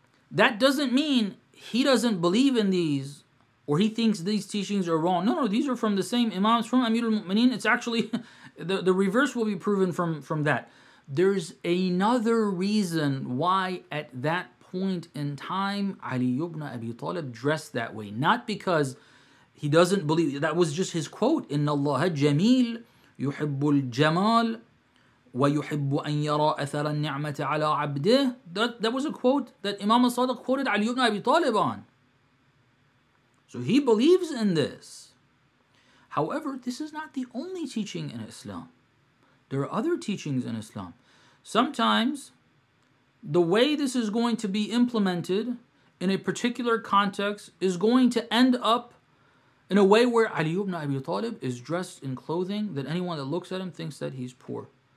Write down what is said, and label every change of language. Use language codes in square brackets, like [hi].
[en] That doesn't mean he doesn't believe in these, or he thinks these teachings are wrong. No, these are from the same imams, from Amir al-Mu'mineen. It's actually, the reverse will be proven from that. There's another reason why at that point in time, Ali ibn Abi Talib dressed that way. Not because he doesn't believe, that was just his quote, [ar] إِنَّ اللَّهَ جَمِيلْ يُحِبُّ الْجَمَالِ وَيُحِبُّ أَنْ يَرَى أَثَرَ النِّعْمَةِ عَلَىٰ عَبْدِهِ. [en] That was a quote that Imam al-Sadiq quoted Ali ibn Abi Talib on. So he believes in this. However, this is not the only teaching in Islam. There are other teachings in Islam. Sometimes, the way this is going to be implemented in a particular context is going to end up in a way where Ali ibn Abi Talib is dressed in clothing that anyone that looks at him thinks that he's poor.